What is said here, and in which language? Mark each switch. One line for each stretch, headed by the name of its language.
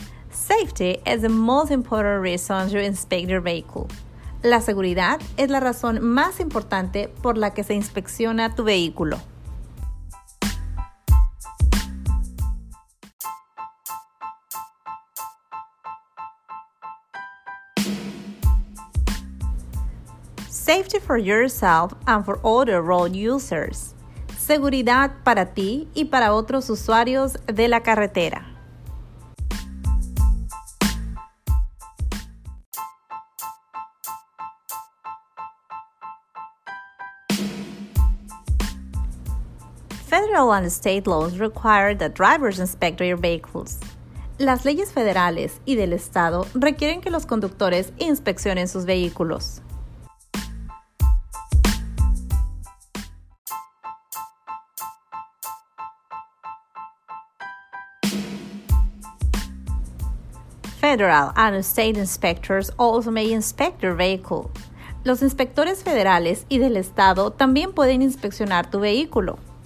English: Safety is the most important reason to inspect your vehicle.
Spanish: La seguridad es la razón más importante por la que se inspecciona tu vehículo.
English: for yourself and for other road users.
Spanish: Seguridad para ti y para otros usuarios de la carretera.
English: Federal and state laws require that drivers inspect their vehicles.
Spanish: Las leyes federales y del estado requieren que los conductores inspeccionen sus vehículos.
English: Federal and state inspectors also may inspect your vehicle.
Spanish: Los inspectores federales y del estado también pueden inspeccionar tu vehículo.